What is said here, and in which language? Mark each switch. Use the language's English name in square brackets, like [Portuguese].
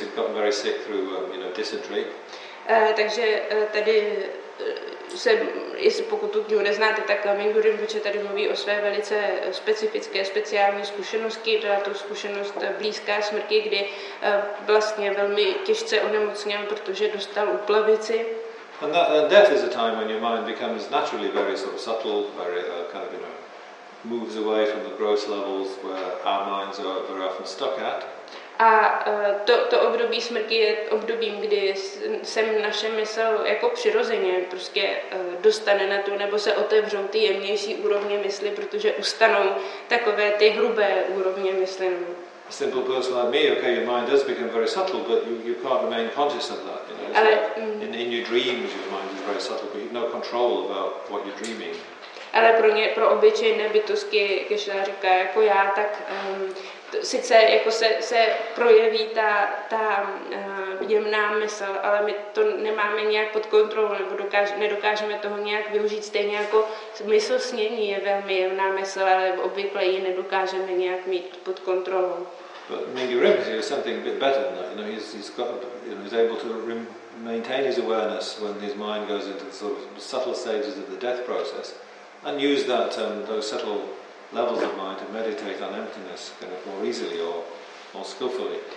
[English] He'd gotten very sick through, you know, dysentery. [Czech] Takže tady se, jestli pokud tu knihu neznáte, tak Mingyur Rinpoche tady mluví o své velice specifické, speciální zkušenosti, teda tu zkušenost blízké smrti, kdy vlastně velmi těžce onemocněl, protože dostal úplavici. [English] And that, death is a time when your mind becomes naturally very sort of subtle, very kind of, you know, moves away from the gross levels where our minds are very often stuck at. [Czech] A to období smrti je obdobím, kdy sem naše mysl jako přirozeně prostě dostane na tu, nebo se otevřou ty jemnější úrovně mysli, protože ustanou takové ty hrubé úrovně mysli. [English] A simple person like me, okay, your mind does become very subtle, but you can't remain conscious of that. You know, it's in your dreams your mind is very subtle, but you've no control about what you're dreaming. [Czech] Ale pro obyčejné bytosti, když já říká jako já, tak sice jako se projeví ta jemná mysl, ale my to nemáme nějak pod kontrolou, nebo nedokážeme toho nějak využít, stejně jako mysl snění je velmi jemná mysl, ale obvykle ji nedokážeme nějak mít pod kontrolou. [English] But Mingyur Rinpoche is something a bit better than that. You know, he's able to maintain his awareness when his mind goes into the sort of subtle stages of the death process, and use that those subtle levels of mind to meditate on emptiness kind of more easily or more skillfully.